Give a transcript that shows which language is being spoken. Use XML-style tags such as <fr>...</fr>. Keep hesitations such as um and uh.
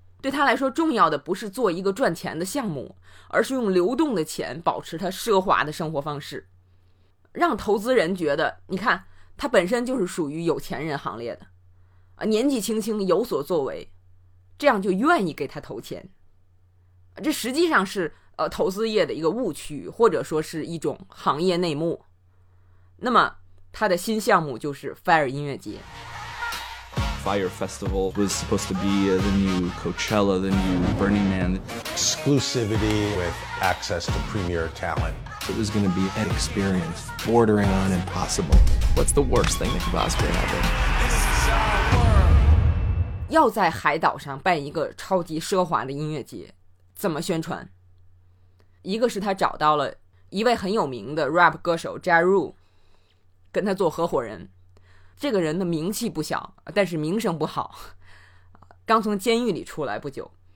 <zh>对他来说，重要的不是做一个赚钱的项目，而是用流动的钱保持他奢华的生活方式，让投资人觉得你看他本身就是属于有钱人行列的啊，年纪轻轻有所作为，这样就愿意给他投钱。这实际上是呃投资业的一个误区，或者说是一种行业内幕。那么，他的新项目就是 Fire 音乐节。</zh> <en>Fire Festival was supposed to be the new Coachella, the new Burning Man. Exclusivity with access to premier talent. It was going to be an experience bordering on impossible. What's the worst thing that you've l a s i e d for ever?</en> <zh>要在海岛上办一个超级奢华的音乐节，怎么宣传？一个是他找到了一位很有名的 rap 歌手 Jay Z。跟他做合伙人，这个人的名气不小，但是名声不好，刚从监狱里出来不久。</zh>